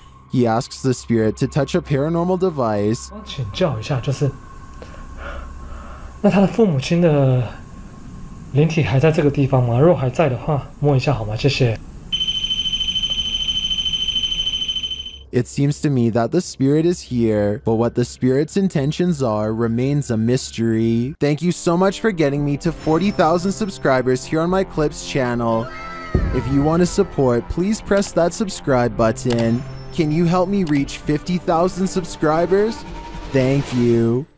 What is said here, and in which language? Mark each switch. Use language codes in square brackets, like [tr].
[en] He asks the spirit to touch a paranormal device. [zh] 请教一下，就是那他的父母亲的灵体还在这个地方吗？如果还在的话，摸一下好吗？谢谢。 [en] It seems to me that the spirit is here, but what the spirit's intentions are remains a mystery. Thank you so much for getting me to 40,000 subscribers here on my Clips channel. If you want to support, please press that subscribe button. Can you help me reach 50,000 subscribers? Thank you.